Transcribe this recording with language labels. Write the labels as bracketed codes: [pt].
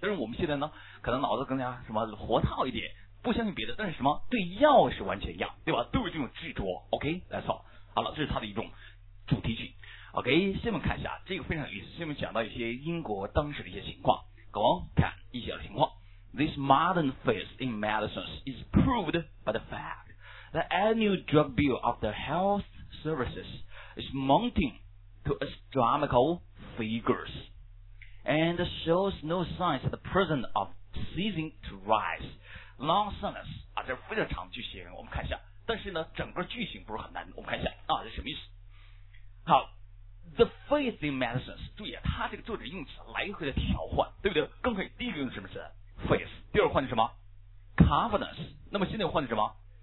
[zh] 但是我们现在呢，可能脑子更加什么活套一点，不相信别的，但是什么对药是完全一样，对吧？都是这种执着。OK， [en] that's all。 [zh] 好了，这是他的一种主题曲。OK， 下面看一下这个非常有意思，下面讲到一些英国当时的一些情况。 [en] Go on， [zh] 看一些情况。 [en] This modern phase in medicines is proved by the fact. The annual drug bill of the health services is mounting to astronomical figures and shows no signs at the present of ceasing to rise. Long sentence [zh] 啊，这是非常长的句型，我们看一下。但是呢，整个句型不是很难，我们看一下啊，这什么意思？好 ， [en] the faith in medicines， [zh] 注意啊，它这个作者用词来回的调换，对不对？刚才第一个用的什么词 ？faith， 第二换的什么 ？confidence， 那么现在换的什么？